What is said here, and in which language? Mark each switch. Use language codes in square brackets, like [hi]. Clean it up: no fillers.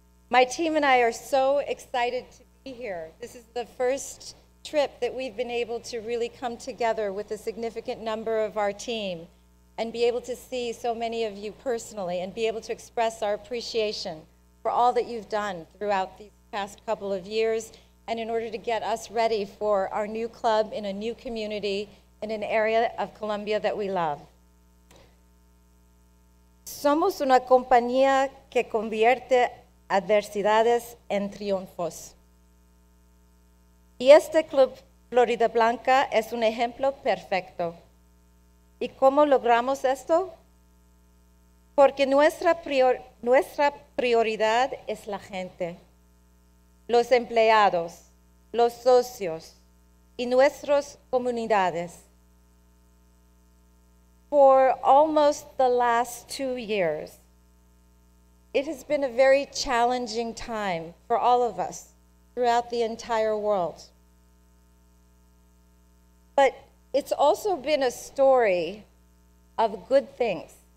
[en] My team and I are so excited to be here. This is the first trip that we've been able to really come together with a significant number of our team and be able to see so many of you personally and be able to express our appreciation for all that you've done throughout these past couple of years and in order to get us ready for our new club in a new community in an area of Colombia that we love. [es] Somos una compañía que convierte adversidades en triunfos. Y este club Florida Blanca es un ejemplo perfecto. ¿Y cómo logramos esto? Porque nuestra prioridad es la gente, los empleados, los socios y nuestras comunidades. [en] For almost the last 2 years, it has been a very challenging time for all of us throughout the entire world. But it's also been a story of good things.